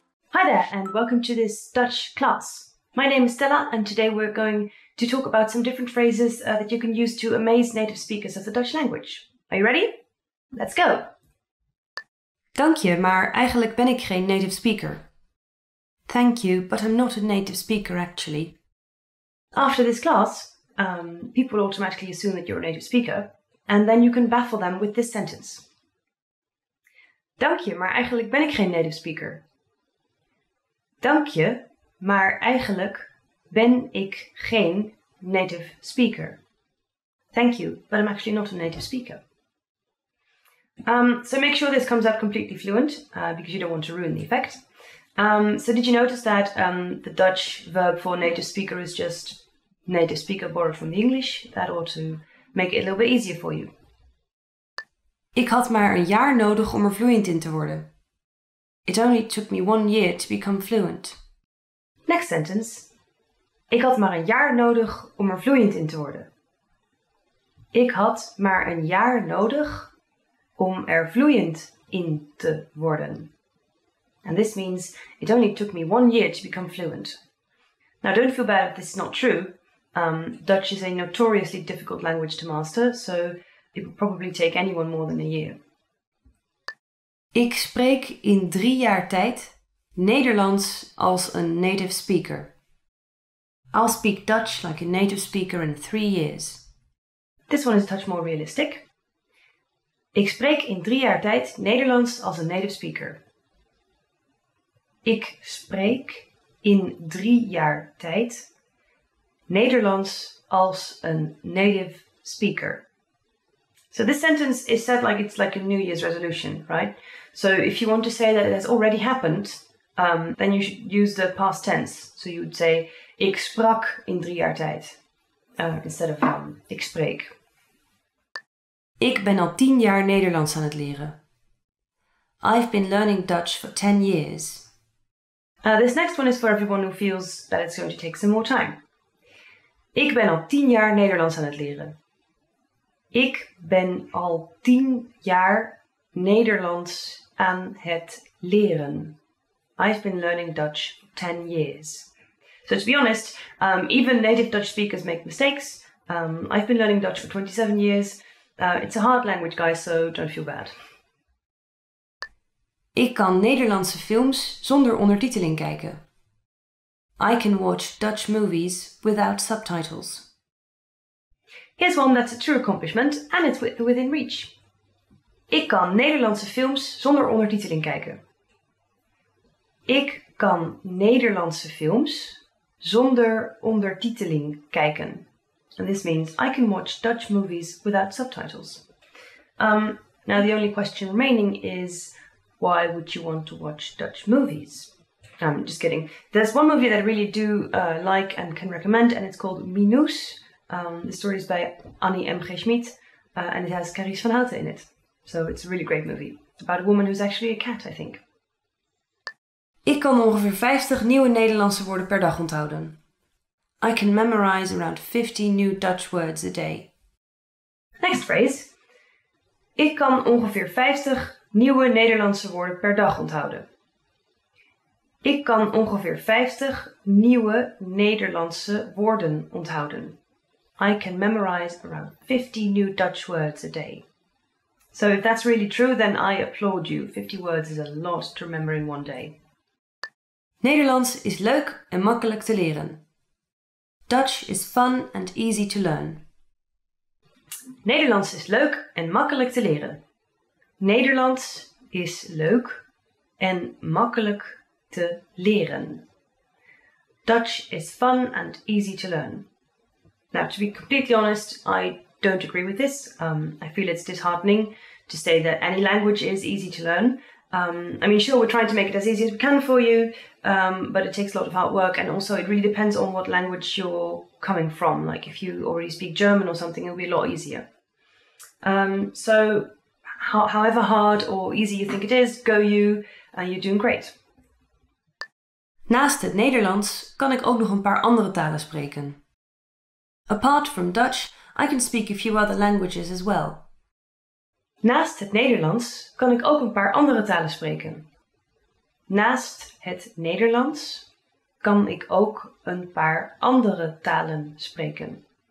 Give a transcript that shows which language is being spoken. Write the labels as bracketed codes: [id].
[en] Hi there, and welcome to this Dutch class. My name is Stella, and today we're going to talk about some different phrases that you can use to amaze native speakers of the Dutch language. Are you ready? Let's go! [nl] Dank je, maar eigenlijk ben ik geen native speaker. [en] Thank you, but I'm not a native speaker, actually. After this class, people automatically assume that you're a native speaker, and then you can baffle them with this sentence. Dank je, maar eigenlijk ben ik geen native speaker. Dank je, maar eigenlijk ben ik geen native speaker. Thank you, but I'm actually not a native speaker. So make sure this comes out completely fluent, because you don't want to ruin the effect. So did you notice that the Dutch verb for native speaker is just native speaker borrowed from the English? That ought to make it a little bit easier for you. [nl] Ik had maar een jaar nodig om er fluent in te worden. [en] It only took me 1 year to become fluent. Next sentence. Ik had maar een jaar nodig om er fluent in te worden. Ik had maar een jaar nodig om er fluent in te worden. And this means, it only took me 1 year to become fluent. Now don't feel bad if this is not true. Dutch is a notoriously difficult language to master, so it would probably take anyone more than a year. [nl] Ik spreek in 3 jaar tijd Nederlands als een native speaker. [en] I'll speak Dutch like a native speaker in 3 years. This one is a touch more realistic. [nl] Ik spreek in 3 jaar tijd Nederlands als een native speaker. Ik spreek in 3 jaar tijd Nederlands als een native speaker. [en] So this sentence is said like it's like a New Year's resolution, right? So if you want to say that it has already happened, then you should use the past tense. So you would say, [nl] ik sprak in 3 jaar tijd, [en] instead of [nl] ik spreek. Ik ben al 10 jaar Nederlands aan het leren. [en] I've been learning Dutch for 10 years. This next one is for everyone who feels that it's going to take some more time. [nl] Ik ben al 10 jaar Nederlands aan het leren. Ik ben al 10 jaar Nederlands aan het leren. [en] I've been learning Dutch for 10 years. So to be honest, even native Dutch speakers make mistakes. I've been learning Dutch for 27 years. It's a hard language, guys, so don't feel bad. [nl] Ik kan Nederlandse films zonder ondertiteling kijken. [en] I can watch Dutch movies without subtitles. Here's one that's a true accomplishment, and it's within reach. [nl] Ik kan Nederlandse films zonder ondertiteling kijken. Ik kan Nederlandse films zonder ondertiteling kijken. [en] And this means I can watch Dutch movies without subtitles. Now the only question remaining is, why would you want to watch Dutch movies? I'm just kidding. There's one movie that I really do like and can recommend, and it's called Minus. The story is by Annie M. G. Schmid, and it has Carice van Houten in it. So it's a really great movie. It's about a woman who's actually a cat, I think. [nl] Ik kan ongeveer 50 nieuwe Nederlandse woorden per dag onthouden. [en] I can memorize around 50 new Dutch words a day. Next phrase. [nl] Ik kan ongeveer 50 nieuwe Nederlandse woorden per dag onthouden. Ik kan ongeveer 50 nieuwe Nederlandse woorden onthouden. [en] I can memorize around 50 new Dutch words a day. So if that's really true, then I applaud you. 50 words is a lot to remember in one day. [nl] Nederlands is leuk en makkelijk te leren. [en] Dutch is fun and easy to learn. [nl] Nederlands is leuk en makkelijk te leren. Nederlands is leuk en makkelijk te leren. [en] Dutch is fun and easy to learn. Now, to be completely honest, I don't agree with this. I feel it's disheartening to say that any language is easy to learn. I mean, sure, we're trying to make it as easy as we can for you, but it takes a lot of hard work, and also it really depends on what language you're coming from. Like, if you already speak German or something, it'll be a lot easier. However hard or easy you think it is, go you, and you're doing great. [nl] Naast het Nederlands kan ik ook nog een paar andere talen spreken. [en] Apart from Dutch, I can speak a few other languages as well. [nl] Naast het Nederlands kan ik ook een paar andere talen spreken. Naast het Nederlands kan ik ook een paar andere talen spreken.